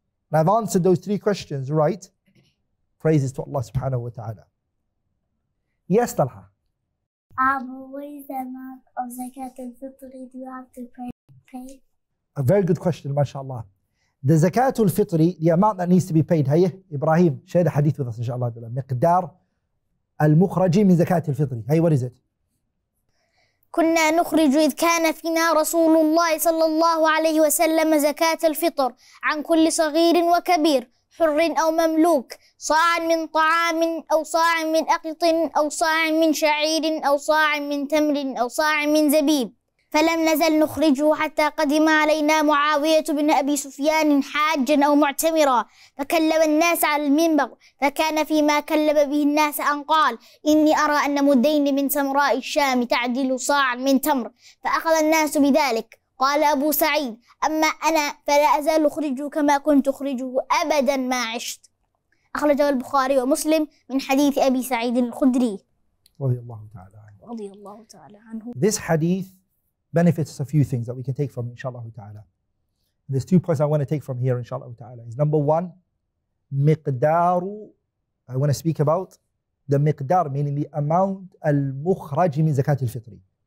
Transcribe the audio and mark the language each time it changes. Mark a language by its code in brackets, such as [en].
[en] And I've answered those three questions, right? Praises to Allah subhanahu wa ta'ala. Yes, Talha. Abu, what is the amount of zakat al-fitri do you have to pay? A very good question, mashallah. The zakat al-fitri, the amount that needs to be paid, hey, Ibrahim, share the hadith with us, inshallah. [ar] Miqdar al-mukhraji min zakat al-fitri. [en] Hey, what is it? [ar] كنا نخرج إذ كان فينا رسول الله صلى الله عليه وسلم زكاة الفطر عن كل صغير وكبير حر أو مملوك صاع من طعام أو صاع من أقط أو صاع من شعير أو صاع من تمر أو صاع من زبيب فلم نزل نخرجه حتى قدم علينا معاوية بن أبي سفيان حاجا أو معتمرا فكلم الناس على المنبر فكان فيما كلم به الناس أن قال إني أرى أن مدين من سمراء الشام تعدل صاع من تمر فأخذ الناس بذلك قال أبو سعيد أما أنا فلا أزال أخرجه كما كنت أخرجه أبدا ما عشت أخرجه البخاري ومسلم من حديث أبي سعيد الخدري رضي الله تعالى عنه. رضي الله تعالى عنه. [en] This hadith benefits a few things that we can take from inshallah ta'ala. There's 2 points I want to take from here inshallah ta'ala. Is number one, miqdaru, I want to speak about the miqdar, meaning the amount [ar] al-mukhraj min zakat al-fitri.